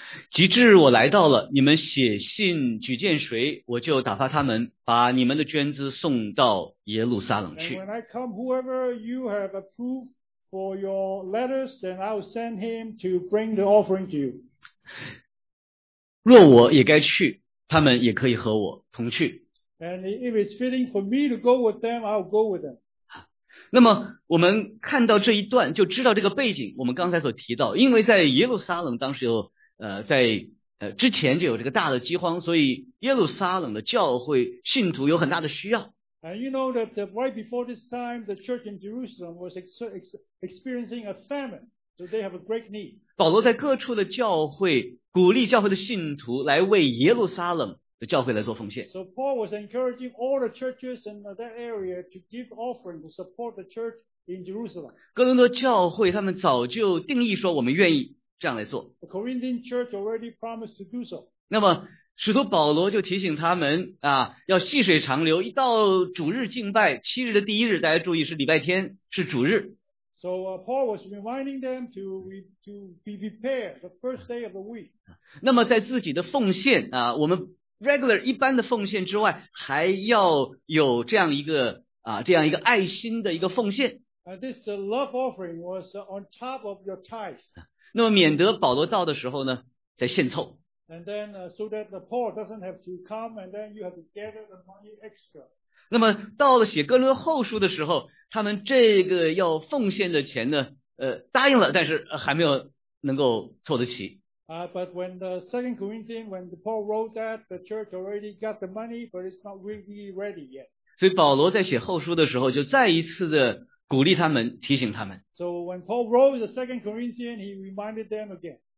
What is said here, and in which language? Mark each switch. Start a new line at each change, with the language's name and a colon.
Chinese: 及至我来到了，你们写信举荐谁，我就打发他们把你们的捐资送到耶路撒冷去。
English: And when I come, whoever you have approved for your letters, then I will send him to bring the offering to you.
Chinese: 若我也该去，他们也可以和我同去。
English: And if it's fitting for me to go with them, I'll go with them.
Chinese: 那么我们看到这一段就知道这个背景，我们刚才所提到，因为在耶路撒冷当时有之前就有这个大的饥荒，所以耶路撒冷的教会信徒有很大的需要。
English: And you know that right before this time, the church in Jerusalem was experiencing a famine, so they have a great need.
Chinese: 保罗在各处的教会鼓励教会的信徒来为耶路撒冷的教会来做奉献。
English: So Paul was encouraging all the churches in that area to give offering to support the church in Jerusalem.
Chinese: 哥林多教会他们早就定义说我们愿意这样来做。
English: The Corinthian church already promised to do so.
Chinese: 那么使徒保罗就提醒他们要细水长流，一到主日敬拜，七日的第一日，大家注意是礼拜天，是主日。
English: So Paul was reminding them to be prepared the first day of the week.
Chinese: 那么在自己的奉献我们 regular 一般的奉献之外，还要有这样一个这样一个爱心的一个奉献。
English: This love offering was on top of your tithe.
Chinese: 那么免得保罗到的时候呢，再献凑。
English: And then, so that the poor doesn't have to come, and then you have to gather the money extra.
Chinese: 那么到了写哥伦后书的时候，他们这个要奉献的钱呢，答应了，但是还没有能够凑得齐。
English: But when the Second Corinthians, when Paul wrote that, the church already got the money, but it's not really ready yet.
Chinese: 所以保罗在写后书的时候，就再一次的鼓励他们，提醒他们。
English: So when Paul wrote the Second Corinthians, he reminded them again.